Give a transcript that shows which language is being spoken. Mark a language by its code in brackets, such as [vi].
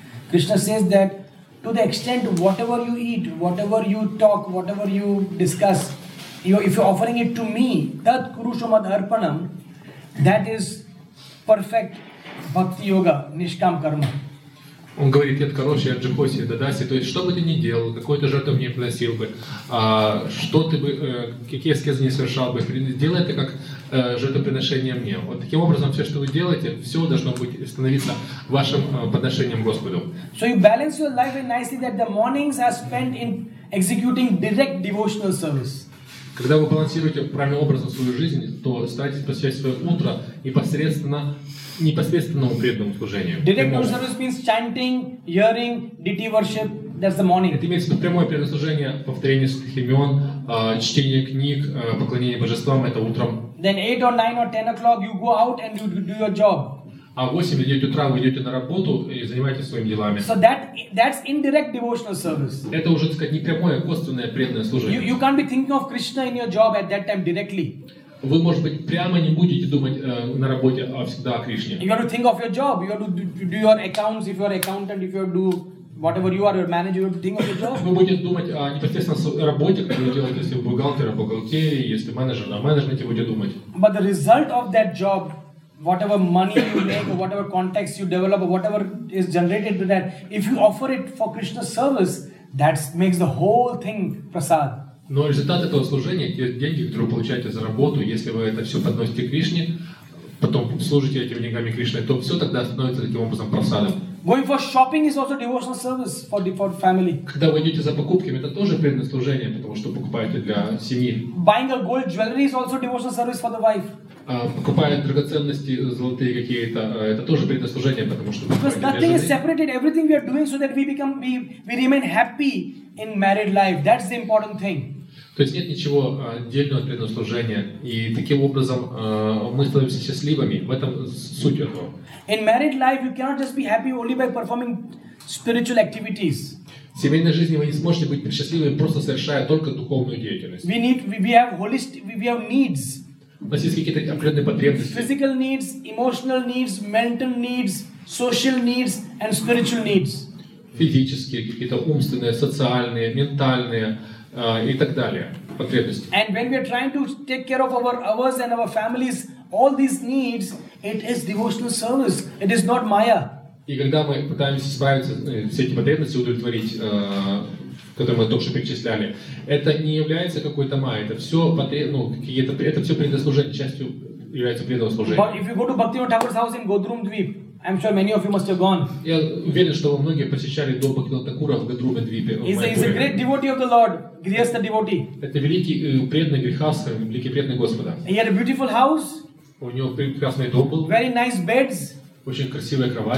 [en] Krishna says that to the extent whatever you eat, whatever you talk, whatever you discuss, if you're offering it to me, [sa] tat kurusha mad arpanam, [en] that is perfect bhakti yoga, nishkam karma. [ru] Он говорит, это хорошее, это джихоси, это даси. То есть, что бы ты ни делал, какой ты жертву мне приносил бы, что ты бы, какие аскезы не совершал бы, делай это как жертвоприношение мне. Вот таким образом, все, что вы делаете, все должно быть становиться вашим подношением Господу. [en] So you balance your life nicely that the mornings are spent in executing direct devotional service. [ru] Когда вы балансируете правильным образом свою жизнь, то старайтесь посвятить свое утро непосредственно непосредственному преданному служению. [en] Direct devotional service means chanting, hearing, deity worship. That's the morning. [ru] Это имеется в виду прямое предослужение, повторение святых имен, чтение книг, поклонение божествам. Это утром. [en] Then 8 or 9 or 10 o'clock you go out and you do your job. [ru] А в 8 или 9 утра вы идете на работу и занимаетесь своими делами. [en] So that's indirect devotional service. [ru] Это уже, так сказать, непрямое, косвенное преданное служение. [en] You can't be thinking of Krishna in your job at that time directly. [ru] Вы, может быть, прямо не будете думать на работе всегда о Кришне. [en] You have to think of your job. You have to do your accounts, if you're an accountant, if you do whatever you are, your manager, you have to think of your job. [ru] Вы будете думать о непосредственно работе, как вы делаете, если вы бухгалтер, бухгалтерии, если менеджер, на менеджменте будете думать. [en] But the result of that job, whatever money you make, or whatever context you develop, or whatever is generated with that, if you offer it for Krishna's service, that makes the whole thing prasad. [ru] Но результат этого служения, те деньги, которые вы получаете за работу, если вы это все подносите Кришне, потом служите этими деньгами Кришне, то все тогда становится таким образом просадом. [en] Going for shopping is also devotional service for family. [ru] Когда вы идете за покупками, это тоже преданное служение, потому что покупаете для семьи. [en] Buying a gold jewelry is also devotional service for the wife. [ru] Покупая драгоценности, золотые какие-то, это тоже преданное служение, потому что. [en] Because nothing is separated. Everything we are doing so that we remain happy in married life. That's the important thing. [ru] То есть нет ничего отдельного от предназначения, и таким образом мы становимся счастливыми. В этом суть этого. [en] In married life, you cannot just be happy only by performing spiritual activities. [ru] В семейной жизни вы не сможете быть счастливыми, просто совершая только духовную деятельность. [en] We have needs. [ru] У нас есть какие-то определенные потребности. [en] Physical needs, emotional needs, mental needs, social needs and spiritual needs. [ru] Физические, какие-то умственные, социальные, ментальные и так далее потребности. [en] And when we are trying to take care of ours and our families, all these needs, it is devotional service. It is not maya. [ru] И когда мы пытаемся справиться с этими потребностями, удовлетворить, которые мы только что перечисляли, это не является какой-то май, это все предослужение, частью является преданного служения. [en] But if you go to Bhaktivinoda Thakur's house in Godrum Dweep, I'm sure many of you must have gone. [ru] Я уверен, что вы многие посещали дом Бхактивинода Такура в Годрум Двипе. [en] He's a great devotee of the Lord, Grihastha devotee. [ru] Это великий преданный Грихастха, великий преданный Господа. [en] He had a beautiful house. [ru] У него прекрасный дом был. [en] Very nice beds. [ru] Очень красивая кровать.